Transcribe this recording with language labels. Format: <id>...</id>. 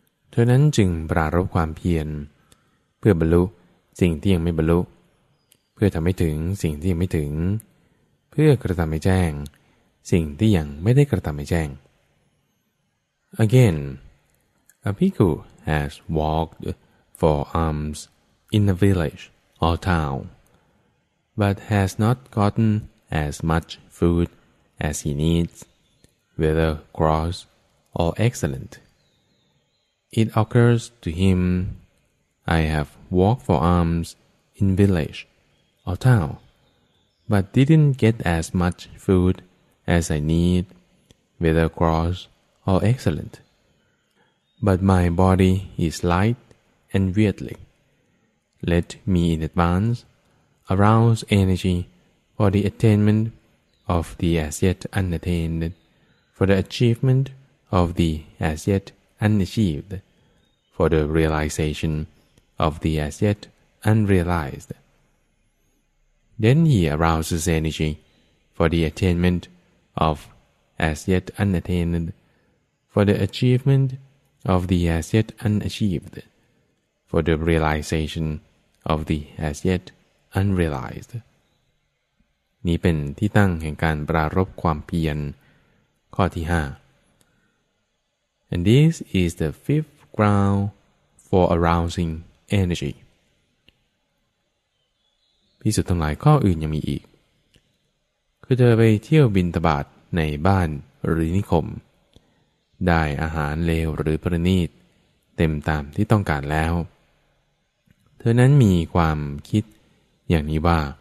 <th>เธอนั้นจึงปรารภความเพียรเพื่อบรรลุสิ่งที่ยังไม่บรรลุเพื่อทำให้ถึงสิ่งที่ยังไม่ถึงเพื่อกระทำให้แจ้งสิ่งที่ยังไม่ได้กระทำให้แจ้ง</th> <en>Again, a bhikkhu has walked for alms in a village or town, but has not gotten as much food as he needs, whether gross or excellent. It occurs to him, I have walked for alms in village. Or town, but didn't get as much food as I need, whether gross or excellent. But my body is light and weightly. Let me in advance arouse energy for the attainment of the as yet unattained, for the achievement of the as yet unachieved, for the realization of the as yet unrealized. Then he arouses energy for the attainment of as yet unattained, for the achievement of the as yet unachieved, for the realization of the as yet unrealized.</en> <th>นี่เป็นที่ตั้งแห่งการปรารภความเพียรข้อที่5</th> <en>And this is the fifth ground for arousing energy.</en> <th>ที่สุดทั้งหลายข้ออื่นยังมีอีกคือเธอไปเที่ยวบิณฑบาตในบ้านหรือนิคมได้อาหารเลวหรือประณีตเต็มตามที่ต้องการแล้วเธอนั้นมีความคิดอย่างนี้ว่า</th>